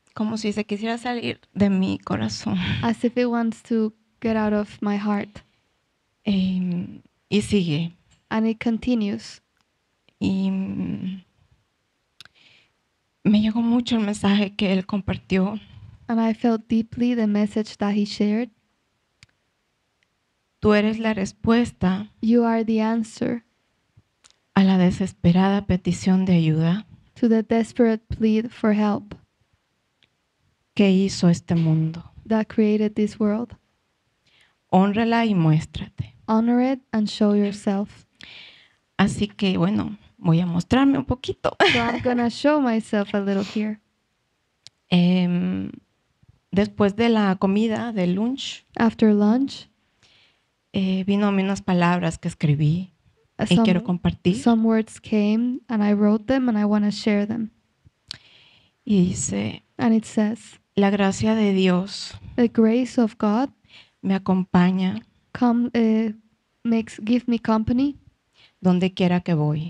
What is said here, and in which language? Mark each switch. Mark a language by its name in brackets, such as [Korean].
[Spanish] Como si se quisiera salir de mi corazón. [English] As if it wants to get out of my heart. [Spanish] Y sigue. [English] And it continues. [Spanish] Y me llegó mucho el mensaje que él compartió. [English] And I felt deeply the message that he shared. [Spanish] Tú eres la respuesta. [English] You are the answer. [Spanish] A la desesperada petición de ayuda. [English] To the desperate plea for help. [Spanish] Que hizo este mundo. [English] That created this world. [Spanish] Hónrala y muéstrate. [English] Honor it and show yourself. [Spanish] Así que bueno, voy a mostrarme un poquito. [English] So I'm gonna show myself a little here. [Spanish] después de la comida, de lunch, [English] after lunch, [Spanish] vino a mí unas palabras que escribí y quiero compartir. [English] Some words came and I wrote them and I want to share them. [Spanish] Y dice, [English] and it says, [Spanish] la gracia de Dios, [English] the grace of God, [Spanish] me acompaña, [English] give me company, [Spanish] donde quiera que voy,